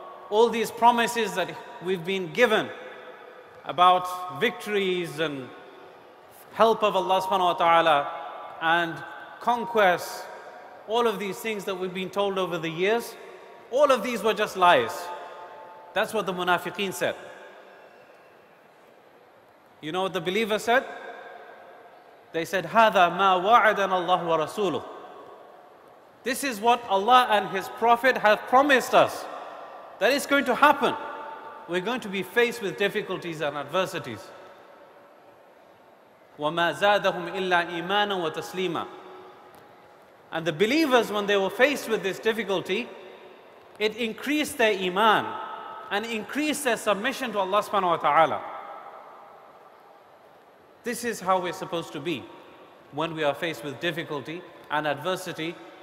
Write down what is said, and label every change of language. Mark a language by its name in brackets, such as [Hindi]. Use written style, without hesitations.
[English] All these promises that we've been given about victories and help of Allah subhanahu wa ta'ala and conquests, all of these things that we've been told over the years, All of these were just lies. That's what the munafiqeen said. You know what the believers said? They said, [Arabic] هذا ما وعدنا الله ورسوله. [English] This is what Allah and His Prophet have promised us. That is going to happen. We're going to be faced with difficulties and adversities. [Arabic] وما زادهم إلا إيمانا وتسليما. [English] And the believers, when they were faced with this difficulty, it increased their iman and increased their submission to Allah subhanahu wa ta'ala. This is how we're supposed to be when we are faced with difficulty and adversity.